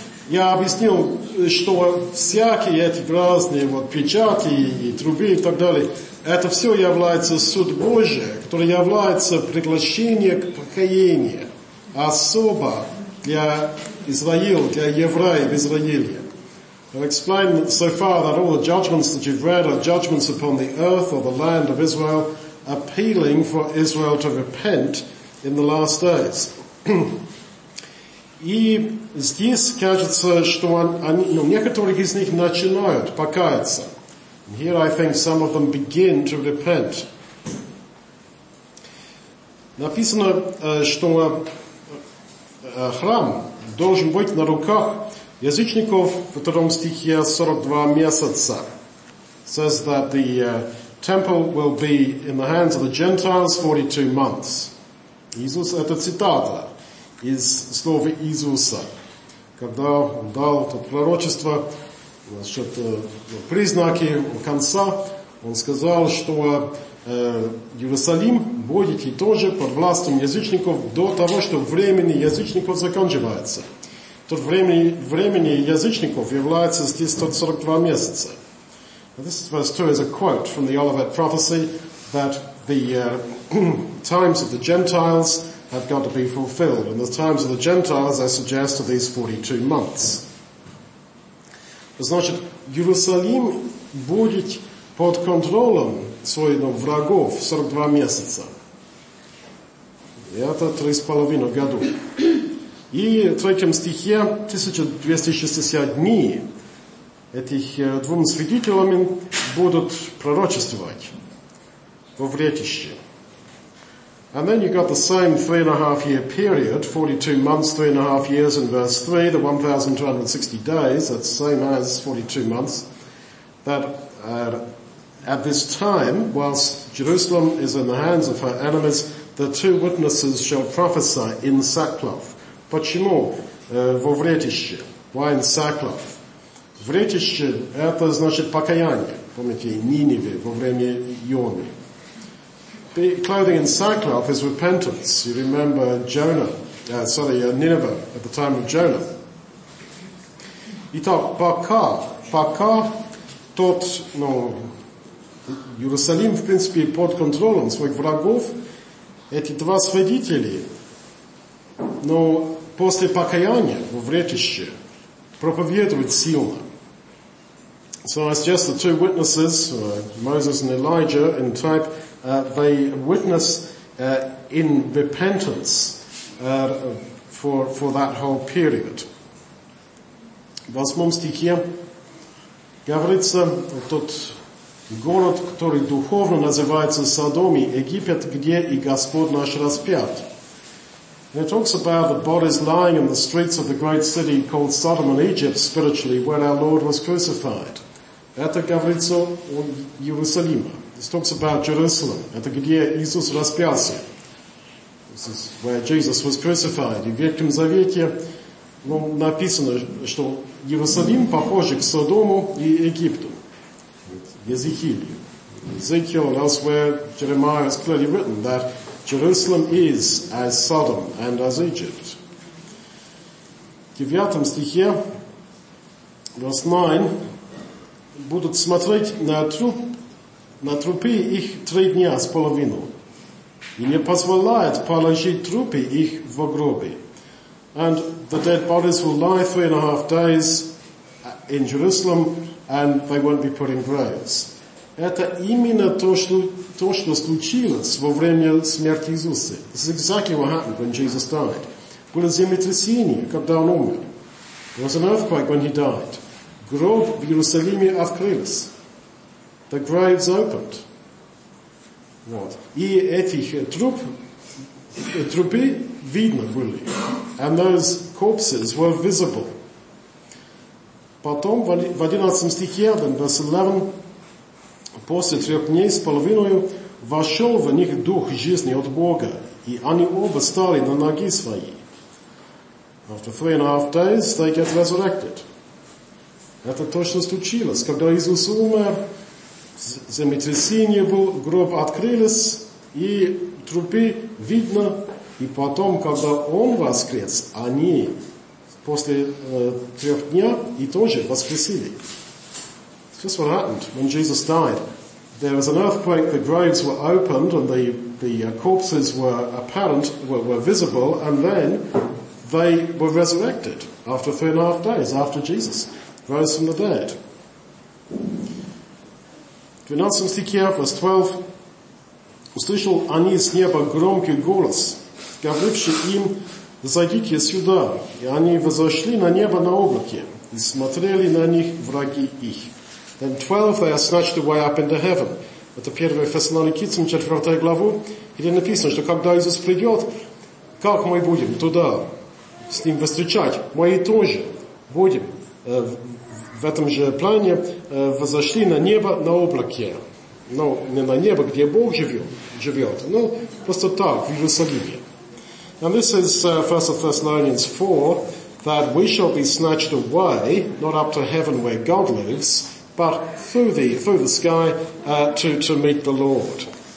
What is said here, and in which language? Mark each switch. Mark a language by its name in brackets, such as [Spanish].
[Russian] Я объяснил, что всякие эти разные вот печати и трубы и так далее, это все является суд Божий, который является приглашением к покаянию. Особо для Израил, для евреев Израиля. [English] I'll explain so far that all the judgments that you've read are judgments upon the earth or the land of Israel, appealing for Israel to repent in the last days. [Russian] И здесь кажется, что они, ну, некоторые из них начинают покаяться. [English] And here I think some of them begin to repent. [Russian] Написано, что храм должен быть на руках язычников в 2 стихе 42 месяца. [English] Says that the temple will be in the hands of the Gentiles 42 months. [Russian] Иисус, это цитата из слова Иисуса, когда он дал это пророчество насчет признаки конца, он сказал, что Иерусалим будет и тоже под властью язычников до того, что времени язычников заканчивается. Тот времени язычников является здесь 142 месяца. [English] Now this verse 2 is a quote from the Olivet prophecy that the times of the Gentiles have got to be fulfilled. And the times of the Gentiles, I suggest, are these 42 months. [Russian] Значит, Иерусалим будет под контролем своих врагов 42 месяца. Это 3,5 года. И в 3 стихе 1260 дней этих двум свидетелями будут пророчествовать во вретище. [English] And then you got the same 3.5-year period, 42 months, 3.5 years in verse 3, the 1260 days, that's same as 42 months, that at this time, whilst Jerusalem is in the hands of her enemies, the two witnesses shall prophesy in sackcloth. [Russian] Почему во вретище? [English] Why in sackcloth? [Russian] Вретище – это значит покаяние. Помните, Ниневе во время Йоны. [English] The clothing in sackcloth is repentance. You remember Jonah, Nineveh at the time of Jonah. [Russian] Итак, пока тот, ну, Иерусалим, в принципе, под контролем своих врагов, эти два свидетеля, но после покаяния во вретище проповедуют силно. [English] So I suggest the two witnesses, Moses and Elijah, in type, they witness in repentance for that whole period. [Russian] В 8 стихе говорится, тот город, который духовно называется Содом и Египет, где и Господь наш распят. [English] And it talks about the bodies lying in the streets of the great city called Sodom and Egypt, spiritually, where our Lord was crucified. [Russian] Это говорится о Иерусалиме. [English] This talks about Jerusalem. [Russian] Это где Иисус распялся. [English] This is where Jesus was crucified. [Russian] И в Ветхом Завете, ну, написано, что Иерусалим похож к Содому и Египту. [English] Ezekiel and elsewhere, Jeremiah has clearly written that Jerusalem is as Sodom and as Egypt. [Russian] В 9 стихе, [English] verse 9, [Russian] будут смотреть на трупы их 3.5 дня, и не позволяют положить трупы их в гробы. [English] And the dead bodies will lie 3.5 days in Jerusalem, and they won't be put in graves. [Russian] Это именно то, что случилось во время смерти Иисуса. [English] This is exactly what happened when Jesus died. [Russian] Было землетрясение, когда он умер. [English] There was an earthquake when he died. [Russian] Гроб в Иерусалиме открылся. [English] The graves opened. [Russian] Вот. И этих трупы видно были. [English] And those corpses were visible. [Russian] Потом, в 11 стихе, [English] then verse 11, [Russian] после 3.5 дней, вошел в них дух жизни от Бога, и они оба стали на ноги свои. [English] After 3.5 days, they get resurrected. [Russian] Это то, что случилось. Когда Иисус умер, землетрясение было, гроб открылись, и трупы видно, И потом, когда Он воскрес, они после трех дня и тоже воскресили. [English] It's just what happened when Jesus died. There was an earthquake, the graves were opened, and the corpses were apparent, were visible, and then they were resurrected after 3.5 days, after Jesus rose from the dead. [Russian] 12 стихе, [English] verse 12, [Russian] услышал они с неба громкий голос, говоривший им, зайдите сюда. И они возошли на небо на облаке, и смотрели на них враги их. [English] Then 12, they are snatched away up into heaven. [Russian] Это 1 Фессалоникийцам, 4 главу, где написано, что когда Иисус придет, как мы будем туда с Ним встречать? Мы тоже будем в этом же плане возошли на небо на облаке. Но не на небо, где Бог живет, но просто так, в Иерусалиме. [English] And this is 1 Thessalonians 4, that we shall be snatched away, not up to heaven where God lives, but through the sky to meet the Lord.